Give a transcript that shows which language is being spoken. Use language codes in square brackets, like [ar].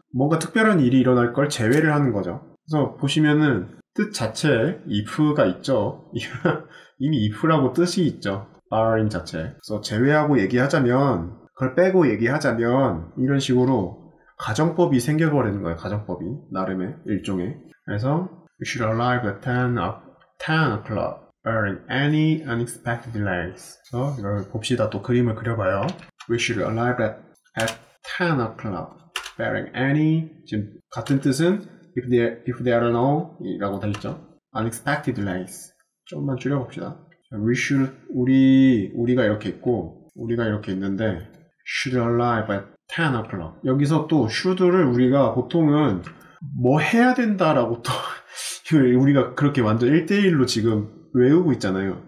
[ko] 뭔가 특별한 일이 일어날 걸 제외를 하는 거죠. 그래서 보시면은 뜻 자체에 if가 있죠. 이미 if라고 뜻이 있죠. barring 자체. 그래서 제외하고 얘기하자면 그걸 빼고 얘기하자면 이런 식으로 가정법이 생겨버리는 거예요. 가정법이 나름의 일종의. [en] 그래서 we should arrive at 10 o'clock barring any unexpected delays. [ko] 그래서 이걸 봅시다. 또 그림을 그려봐요. [en] We should arrive at 10 o'clock barring any [ko] 지금 같은 뜻은 [en] if there are no [ko] 이라고 되어 있죠. [en] unexpected delays [ko] 좀만 줄여봅시다. [en] We should [ko] 우리가 이렇게 있는데 [en] should arrive at 10 o'clock. [ko] 여기서 또 should를 우리가 보통은 뭐 해야 된다라고 또 우리가 그렇게 완전 1대1로 지금 외우고 있잖아요.